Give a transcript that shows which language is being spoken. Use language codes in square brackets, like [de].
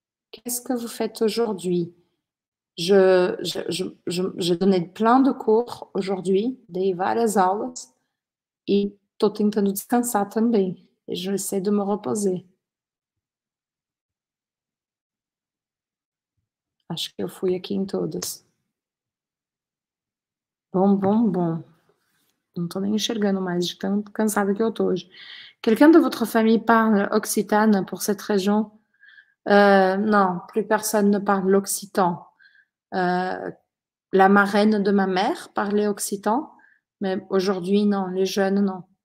[fr] Qu'est-ce que vous faites aujourd'hui? J'ai donné plein de cours aujourd'hui, [pt] dei várias aulas, e estou tentando descansar também. [fr] E je essaie de me reposer. [pt] Acho que eu fui aqui em todas. Bom. Não estou nem enxergando mais de tão cansada que eu estou hoje. [fr] Quelqu'un de votre famille parle occitane pour cette région? Non, plus personne ne parle l'occitan. La marraine de ma mère parlait occitan, mais aujourd'hui, non, les jeunes, non.